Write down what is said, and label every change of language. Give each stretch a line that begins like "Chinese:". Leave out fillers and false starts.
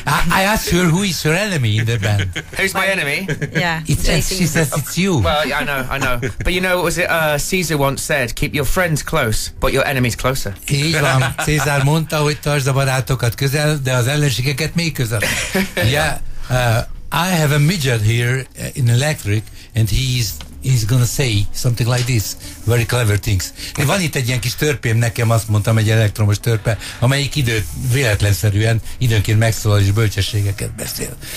English: I asked her who is her enemy in the band. Who's my enemy? Yeah. She says it's you. Well, yeah, I know. But you know, what was it? Caesar once said, keep your friends close, but your enemies closer.
Hungarian: Így van. Caesar mondta, hogy tartsd a barátokat közel, de az ellenségeket még közel.
English: Yeah. I have a midget here in electric, and he's gonna say something like this. Very clever things.
Hungarian: De van itt egy ilyen kis törpém, nekem azt mondtam, egy elektromos törpe, amelyik időt véletlenszerűen időnként megszólal és bölcsességeket beszél.